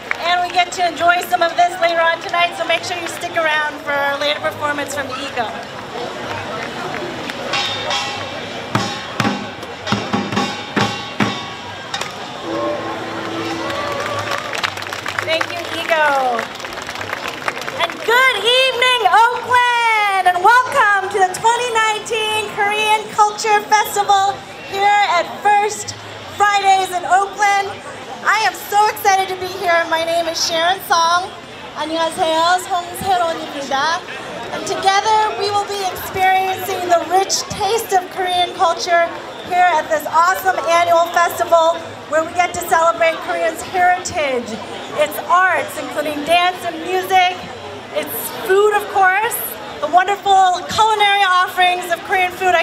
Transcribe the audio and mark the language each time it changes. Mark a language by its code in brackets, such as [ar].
[en] And we get to enjoy some of this later on tonight, so make sure you stick around for our later performance from the Ego. Thank you, Ego. And good evening, Oakland! And welcome to the 2019 Korean Culture Festival here at First Fridays in Oakland. I am so excited to be here. My name is Sharon Song. [ko] 안녕하세요, 송세론입니다. [en] And together we will be experiencing the rich taste of Korean culture here at this awesome annual festival where we get to celebrate Korea's heritage, its arts, including dance and music, its food, of course, the wonderful culinary offerings of Korean food.